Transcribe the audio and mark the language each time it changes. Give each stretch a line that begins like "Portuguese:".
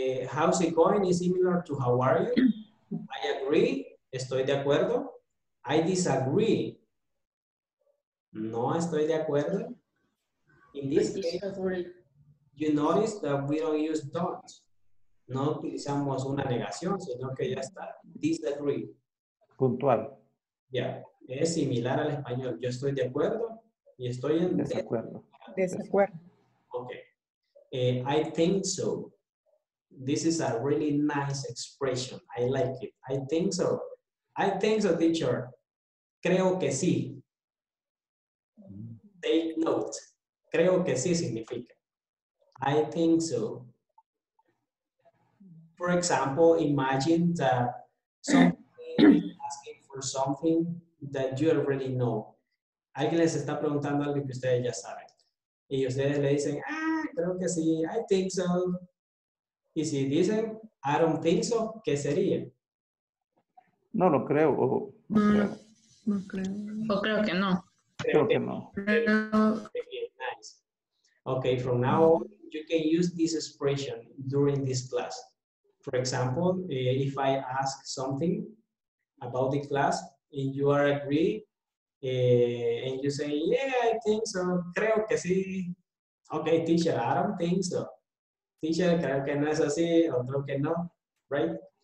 English: How's it going is similar to how are you. I agree.
Spanish: Estoy de acuerdo.
English: I disagree.
Spanish: No estoy de acuerdo.
English: In this case, you notice that we don't use don't.
Spanish: No utilizamos una negación, sino que ya está.
English: Disagree.
Spanish: Puntual. Yeah. Es similar al español. Yo estoy de acuerdo y estoy en desacuerdo. Desacuerdo.
English: Okay. I think so. This is a really nice expression. I like it. I think so. I think so, teacher.
Spanish: Creo que sí.
English: Take note.
Spanish: Creo que sí significa.
English: I think so. For example, imagine that somebody is asking for something that you already know.
Spanish: Alguien les está preguntando algo que ustedes ya saben. Y ustedes le dicen, creo que sí.
English: I think so.
Spanish: Y si dicen,
English: I don't think so,
Spanish: ¿qué sería? No lo creo. No creo. O creo que no. Creo que no.
English: Okay, nice. Ok, from now on, you can use this expression during this class. For example, if I ask something about the class and you are agree, and you say, yeah, I think so,
Spanish: creo que sí.
English: Okay, teacher, I don't think so.
Spanish: Teacher, creo que no es así, otro que no, right?